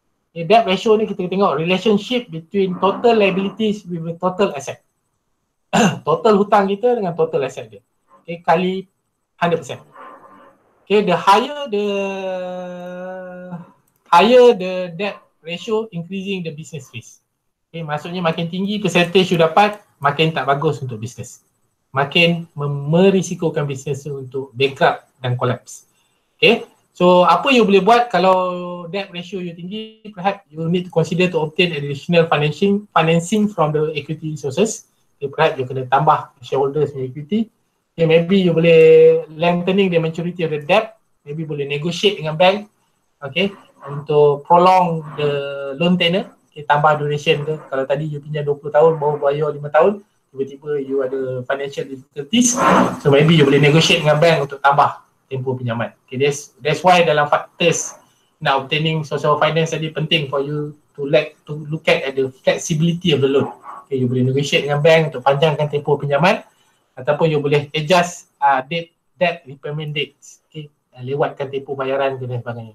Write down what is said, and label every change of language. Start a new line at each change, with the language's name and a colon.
English: Okay, debt ratio
Malay: ni kita tengok
English: relationship between total liabilities with the total asset.
Malay: Total hutang kita dengan total asset dia. Okay, kali 100%.
English: Okay, the higher the debt ratio, increasing the business risk.
Malay: Okay, maksudnya makin tinggi percentage you dapat, makin tak bagus untuk business. Makin merisikokan business untuk bankrupt dan collapse. Okay, so apa you boleh buat kalau debt ratio you tinggi?
English: Perhaps you need to consider to obtain additional financing from the equity sources. Okay, perhaps you
Malay: kena tambah
English: shareholders punya equity. Okay, maybe you boleh lengthening the maturity of the debt. Maybe boleh negotiate dengan bank. Okay, untuk prolong the loan tenor.
Malay: Okay, tambah duration ke. Kalau tadi you pinjam 20 tahun, baru bayar 5 tahun. Tiba-tiba you ada
English: financial difficulties.
Malay: So maybe you boleh negotiate dengan bank untuk tambah tempoh pinjaman.
English: Okay, that's why dalam factors now obtaining social finance tadi penting for you to look at the flexibility of the loan. Okay, you boleh negotiate dengan bank
Malay: untuk panjangkan tempoh pinjaman ataupun
English: you boleh adjust debt repayment dates.
Malay: Okay, lewatkan tempoh bayaran dan sebagainya.